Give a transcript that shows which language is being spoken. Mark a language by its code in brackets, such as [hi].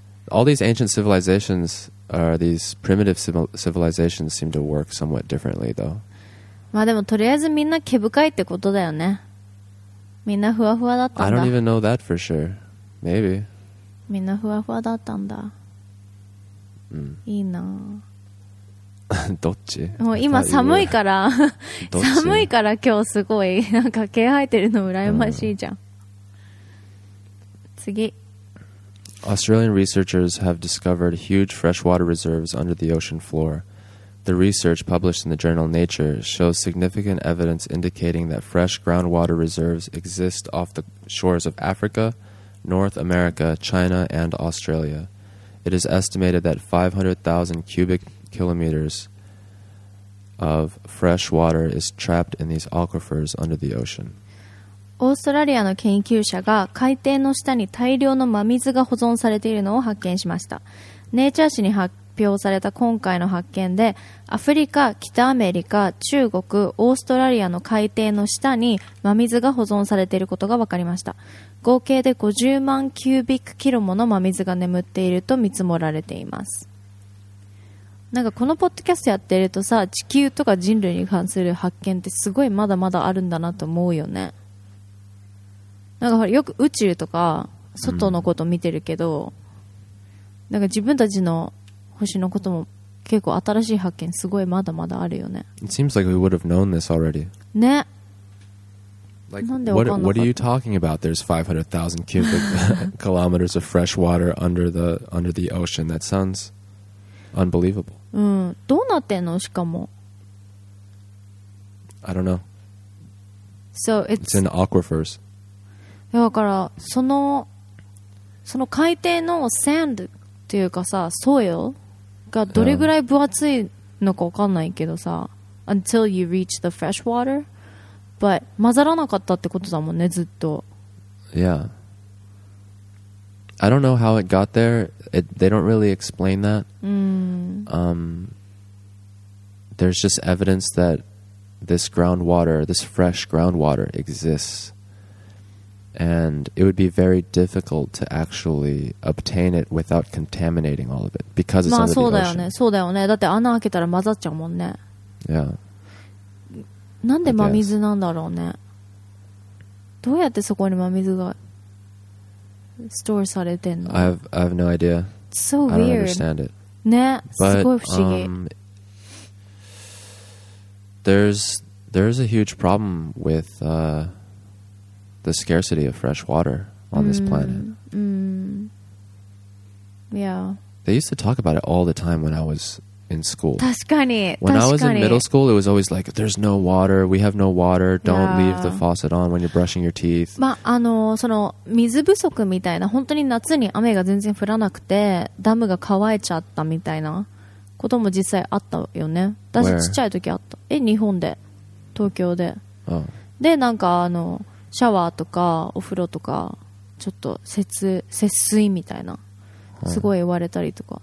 [en] All these ancient civilizations or these primitive civilizations seem to work somewhat differently, though. [ja] まあでもとりあえずみんな毛深いってことだよね。みんなふわふわだったんだ。 [en] I don't even know that for sure. Maybe. [ja] みんなふわふわだったんだ。いいな。どっち？もう今寒いから寒いから今日すごいなんか毛生えてるの羨ましいじゃん。次。 [en] Australian researchers have discovered huge freshwater reserves under the ocean floor. The research published in the journal Nature shows significant evidence indicating that fresh groundwater reserves exist off the shores of Africa, North America, China, and Australia. It is estimated that 500,000 cubic kilometers of fresh water is trapped in these aquifers under the ocean. [ja] オーストラリアの研究者が海底の下に大量の真水が保存されているのを発見しました。ネイチャー誌に表された今回の発見で、アフリカ、北アメリカ、中国、オーストラリアの海底の下に真水が保存されていることが分かりました。合計で50万キュービックキロもの真水が眠っていると見積もられています。なんかこのポッドキャストやってるとさ、地球とか人類に関する発見ってすごいまだまだあるんだなと思うよね。なんかほらよく宇宙とか外のこと見てるけど、うん、なんか自分たちの星のことも結構新しい発見すごいまだまだあるよね。 [en] It seems like we would have known this already. [ja] ね。 [en] Like, [ja] なんで分かんなかった? [en] What are you talking about? There's 500,000 cubic kilometers of fresh water under the ocean. That sounds unbelievable. [ja] うん。どうなってんの?しかも。 [en] I don't know. So it's in aquifers. [ja] だからその海底の sand っていうかさ、soil がどれぐらい分厚いのか分かんないけどさ、 [en] until you reach the fresh water. [ja] 混ざらなかったってことだもんね、ずっと。 [en] Yeah. I don't know how it got there. They don't really explain that. There's just evidence that this groundwater, this fresh groundwater exists. And it would be very difficult to actually obtain it without contaminating all of it. Because it's under the ocean. [ja] まあそうだよね、そうだよね。だって穴開けたら混ざっちゃうもんね。 [en] Yeah. [ja] なんで真水なんだろうね。どうやってそこに真水がストアされてんの。 [en] I have no idea. It's so weird. I don't understand it. [ja] ね、But, すごい不思議。 [en] There's a huge problem with the scarcity of fresh water on this planet. Yeah. They used to talk about it all the time when I was... in school. [ja] 確かに。 [en] When I was in middle school, it was always like, there's no water, we have no water, don't leave the faucet on when you're brushing your teeth. [ja] まあ、その水不足みたいな、本当に夏に雨が全然降らなくて、ダムが乾いちゃったみたいなことも実際あったよね。私ちっちゃい時あった。え、日本で。東京で。で、なんかシャワーとかお風呂とか、ちょっと節水みたいな、すごい言われたりとか。